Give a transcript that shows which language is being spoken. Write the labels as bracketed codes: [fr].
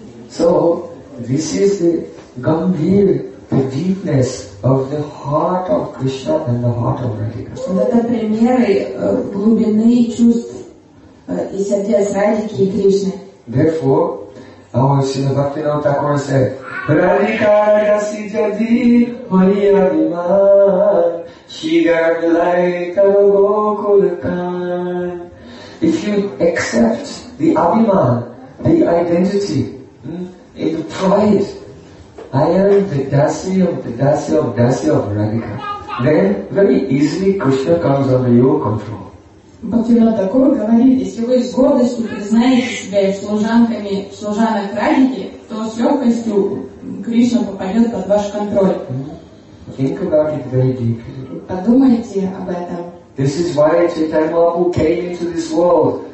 [en] So, this is the Gambhir, the deepness of the heart of Krishna and the heart of Radhika. [ru] Это примеры глубины чувств и сердец Радхики и Кришны. [en] Therefore, our Srila Bhaktivinoda Thakura said, [sa] Radhika Rasi Jadi Hari Abhiman Shigar Laita Gokul Khan. [en] If you accept the Abhiman, the identity, in the pride, I am the Dasi of Dasi of Radhika, then very easily Krishna comes under your control. [ru] Бхактивинода Такур говорит, если вы с гордостью признаете себя служанками, служанок Радхики, то с легкостью Кришна попадет под ваш контроль. [en] Think about it very deeply. [ru] Подумайте об этом. [en] This is why Chaitanya Mahaprabhu came into this world.